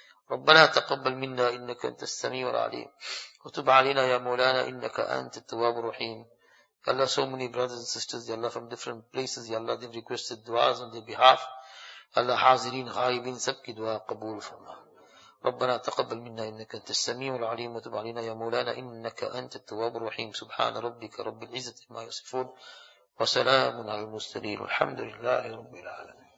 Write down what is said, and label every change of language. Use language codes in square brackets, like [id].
[ar] ربنا تقبل منا إنك أنت السميع العليم وتب علينا يا مولانا إنك أنت التواب الرحيم. يا الله, [en] so many brothers and sisters, يا الله, from different places, يا الله, they've requested duas on their behalf. [ar] يا الله, حاضرين غائبين, [ur] سبك دعاء قبول فرما. [ar] ربنا تقبل منا إنك أنت السميع العليم وتب علينا يا مولانا إنك أنت التواب الرحيم. سبحان ربك رب العزة ما يصفون وسلام على المرسلين والحمد لله رب العالمين.